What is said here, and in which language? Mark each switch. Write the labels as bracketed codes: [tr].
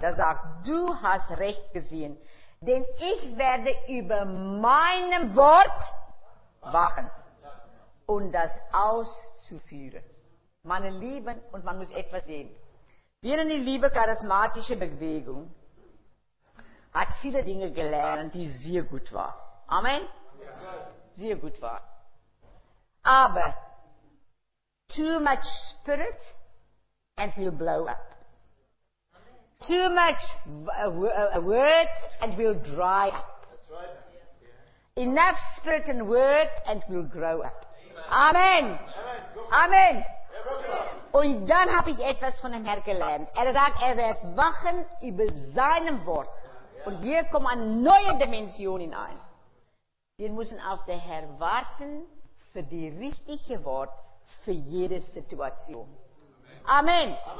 [de] Da sagt, du hast recht gesehen, denn ich werde über meinem Wort wachen. Und das auszuführen. Meine Lieben, und man muss etwas sehen. Wir in die liebe charismatische Bewegung hat viele Dinge gelernt, die sehr gut waren. Amen? Sehr gut waren. [en] Aber too much spirit and we'll blow up. Too much word and we'll dry up. Enough spirit and word and we'll grow up. [de] Amen. Amen. Und dann habe ich etwas von dem Herrn gelernt. Er sagt, er wird wachen über seinem Wort. Und hier kommt eine neue Dimension hinein. Wir müssen auf den Herrn warten für die richtige Wort für jede Situation. Amen.